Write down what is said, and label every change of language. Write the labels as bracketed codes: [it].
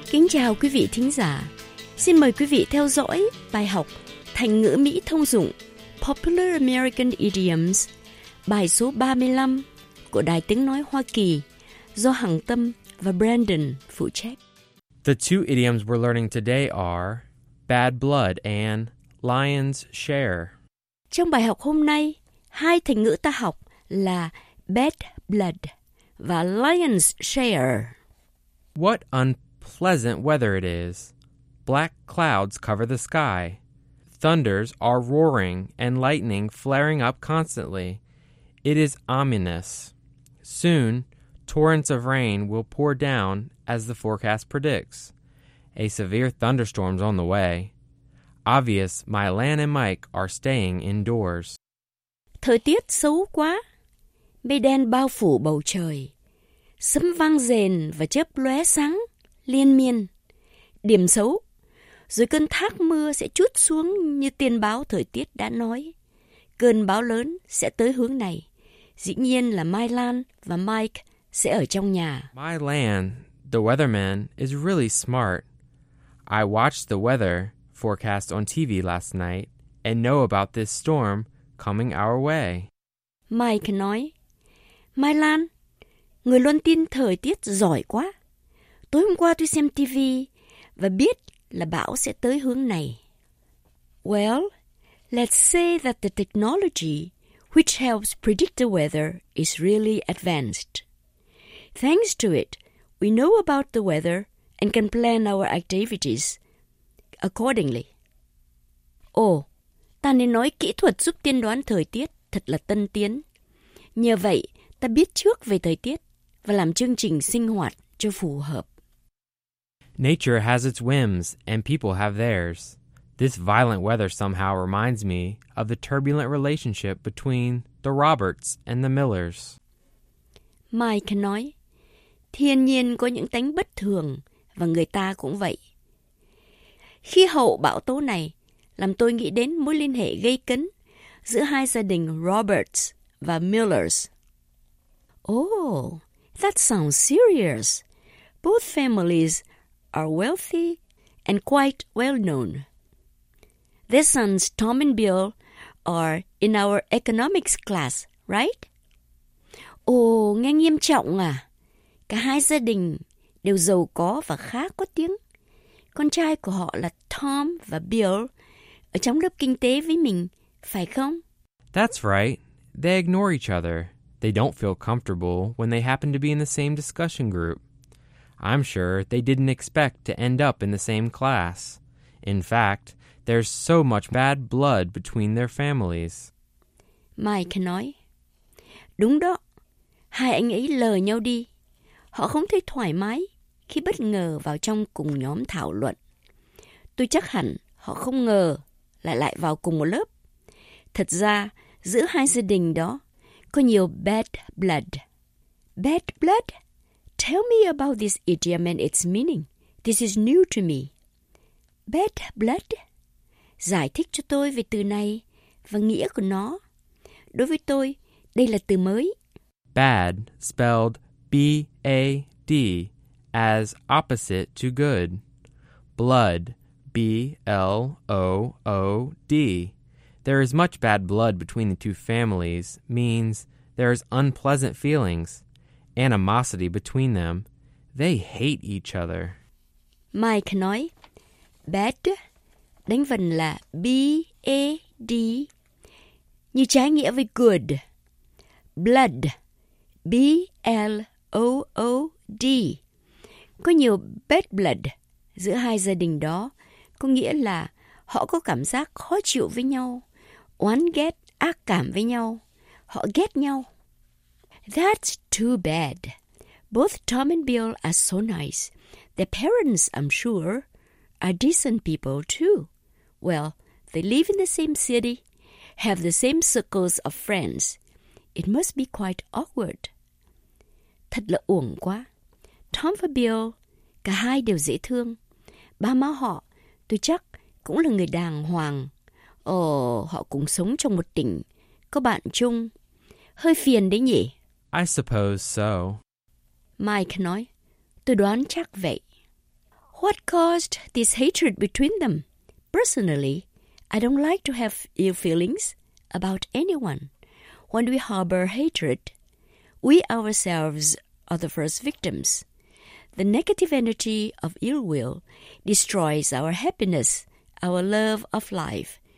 [vi] chào quý vị thính giả. Xin mời quý vị theo dõi bài học Thành ngữ Mỹ thông dụng [en] Popular American Idioms, [vi] bài số 35 của Đài Tiếng Nói Hoa Kỳ do Hằng Tâm và Brandon phụ trách. [en] The two idioms we're learning today are bad blood and lion's share. [vi] Trong bài học hôm nay, hai thành ngữ ta học là bad blood và lion's share. [en] What unpleasant weather it is. Black clouds cover the sky. Thunders are roaring and lightning flaring up constantly. It is ominous. Soon, torrents of rain will pour down as the forecast predicts. A severe thunderstorm's on the way. Obvious, my Lan and Mike are staying indoors. [vi] Thời tiết xấu quá. Mây đen bao phủ bầu trời. Sấm vang rền và chớp lóe sáng, liên miên. Điểm xấu. Rồi cơn thác mưa sẽ trút xuống như tiên báo thời tiết đã nói. Cơn bão lớn sẽ tới hướng này. Dĩ nhiên là Mai Lan và Mike sẽ ở trong nhà. [en] Mai Lan, the weatherman, is really smart. I watched the weather forecast on TV last night and know about this storm coming our way. [vi] Mike nói, Mai Lan, người luôn tin thời tiết giỏi quá. Tối hôm qua tôi xem TV và biết là bão sẽ tới hướng này. [en] Well, let's say that the technology which helps predict the weather is really advanced. Thanks to it, we know about the weather and can plan our activities accordingly. [vi] Oh, ta nên nói kỹ thuật giúp tiên đoán thời tiết thật là tân tiến. Nhờ vậy, ta biết trước về thời tiết và làm chương trình sinh hoạt cho phù hợp. [en] Nature has its whims, and people have theirs. This violent weather somehow reminds me of the turbulent relationship between the Roberts and the Millers. [vi] Mike nói, thiên nhiên có những tánh bất thường, và người ta cũng vậy. Khí hậu bão tố này làm tôi nghĩ đến mối liên hệ gây cấn giữa hai gia đình Roberts và Millers. [en] Oh, that sounds serious. Both families are wealthy and quite well known. Their sons Tom and Bill are in our economics class, right? [vi] Oh, nghe nghiêm trọng à. Cả hai gia đình đều giàu có và khá có tiếng. Con trai của họ là Tom và Bill ở trong lớp kinh tế với mình, phải không? [en] That's right. They ignore each other. They don't feel comfortable when they happen to be in the same discussion group. I'm sure they didn't expect to end up in the same class. In fact, there's so much bad blood between their families. [vi] Mike nói, đúng đó, hai anh ấy lờ nhau đi. Họ không thấy thoải mái khi bất ngờ vào trong cùng nhóm thảo luận. Tôi chắc hẳn họ không ngờ lại vào cùng một lớp. Thật ra, giữa hai gia đình đó có nhiều bad blood. [en] Bad blood? Tell me about this idiom and its meaning. This is new to me. Bad blood? [vi] Giải thích cho tôi về từ này và nghĩa của nó. Đối với tôi, đây là từ mới. [en] Bad, spelled B-A-D, as opposite to good. Blood, B-L-O-O-D. There is much bad blood between the two families means there is unpleasant feelings. Animosity between them. They hate each other. [vi] Mike nói, bad, đánh vần là B-A-D, như trái nghĩa với good. Blood, B-L-O-O-D. Có nhiều bad blood giữa hai gia đình đó, có nghĩa là họ có cảm giác khó chịu với nhau, oán ghét, ác cảm với nhau, họ ghét nhau. [en] That's too bad. Both Tom and Bill are so nice. Their parents, I'm sure, are decent people too. Well, they live in the same city, have the same circles of friends. It must be quite awkward. [vi] Thật là uổng quá. Tom và Bill, cả hai đều dễ thương. Ba má họ, tôi chắc, cũng là người đàng hoàng. Ồ, họ cũng sống trong một tỉnh, có bạn chung. Hơi phiền đấy nhỉ? [en] I suppose so. [vi] Mike nói, tôi đoán chắc vậy. [en] What caused this hatred between them? Personally, I don't like to have ill feelings about anyone. When we harbor hatred, we ourselves are the first victims. The negative energy of ill will destroys our happiness, our love of life.